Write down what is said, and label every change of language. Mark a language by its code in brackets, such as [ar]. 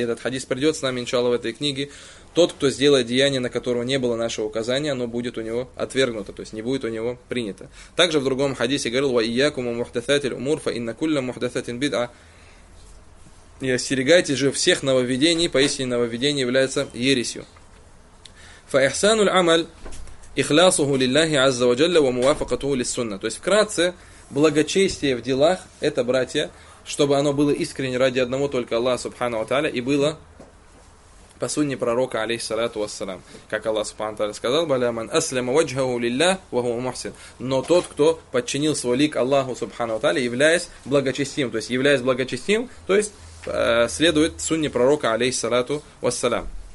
[ru] Этот хадис придет с нами, иншаллах, в этой книге. Тот, кто сделает деяние, на которого не было нашего указания, оно будет у него отвергнуто, то есть не будет у него принято. Также в другом хадисе говорил: [ar] «Ва ияку мухдасатиль умур фа инна кулля мухдасатин бид'а». [ru] И остерегайтесь же всех нововведений, поистине нововведение является ересью. [ar] فإحسان العمل إخلاصه لله عز وجل وموافقته للسنة. [ru] То есть вкратце, благочестие в делах это, братья, чтобы оно было искренне ради одного только Аллаха Субхану Тааля и было по сунне пророка, алейхиссалату вассалам. Как Аллах Субхану Тааля сказал: [ar] «Баля ман аслама ваджхаху лиллах ва хуа мухсин». [ru] Но тот, кто подчинил свой лик Аллаху Субхану Тааля, являясь благочестивым, то есть являясь благочестивым, то есть следует сунне пророка, алейхиссалату вассалям.